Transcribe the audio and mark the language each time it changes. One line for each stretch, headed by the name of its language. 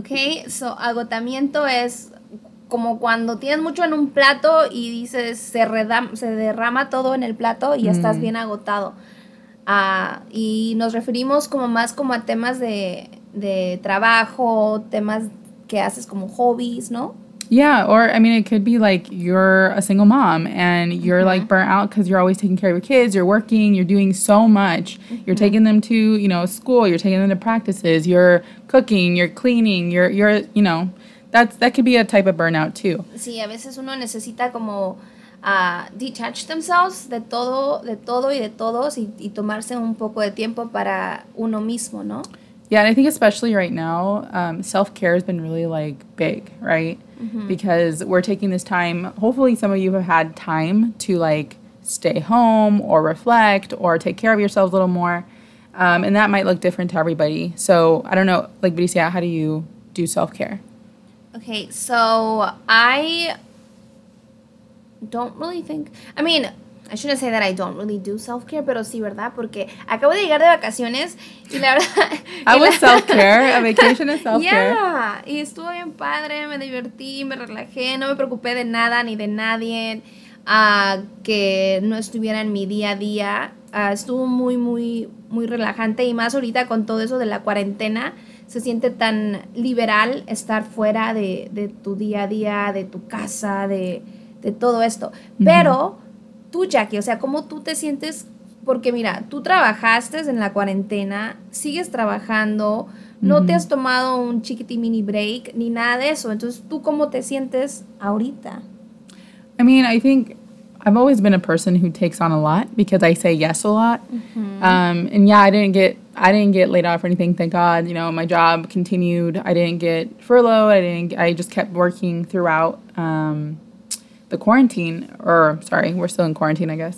Spanish: Okay, so agotamiento es como cuando tienes mucho en un plato y dices, se derrama todo en el plato y estás bien agotado. Y nos referimos como más como a temas de trabajo, temas que haces como hobbies, ¿no?
English: Yeah, or, I mean, it could be like you're a single mom and you're like burnt out because you're always taking care of your kids, you're working, you're doing so much. Mm-hmm. You're taking them to, you know, school, you're taking them to practices, you're cooking, you're cleaning, you're you know, that could be a type of burnout too.
Spanish: Sí, a veces uno necesita como
English: detach themselves
Spanish: de todo y de todos y tomarse un poco de tiempo para uno mismo, ¿no?
English: Yeah, and I think especially right now, self-care has been really, like, big, right? Because we're taking this time, hopefully some of you have had time to, like, stay home or reflect or take care of yourselves a little more, and that might look different to everybody. So, I don't know, like, Brisia, how do you do self-care? Okay, so I don't really think, I mean, I shouldn't say that I don't really do self-care,
Spanish: pero sí, ¿verdad? Porque acabo de llegar de vacaciones y la verdad,
English: I was self-care, a vacation is self-care.
Spanish: Yeah, y estuvo bien padre, me divertí, me relajé, no me preocupé de nada ni de nadie que no estuviera en mi día a día. Estuvo muy, muy, muy relajante y más ahorita con todo eso de la cuarentena. Se siente tan liberal estar fuera de tu día a día, de tu casa, de todo esto, pero tú, Jackie, o sea, ¿cómo tú te sientes? Porque mira, tú trabajaste en la cuarentena, sigues trabajando, no te has tomado un chiquiti
English: mini break,
Spanish: ni nada de eso, entonces, ¿tú cómo te sientes ahorita?
English: I mean, I think I've always been a person who takes on a lot, because I say yes a lot, and yeah, I didn't get laid off or anything, thank God, you know, my job continued, I didn't get furloughed, I just kept working throughout, the quarantine, or sorry, we're still in quarantine, I guess.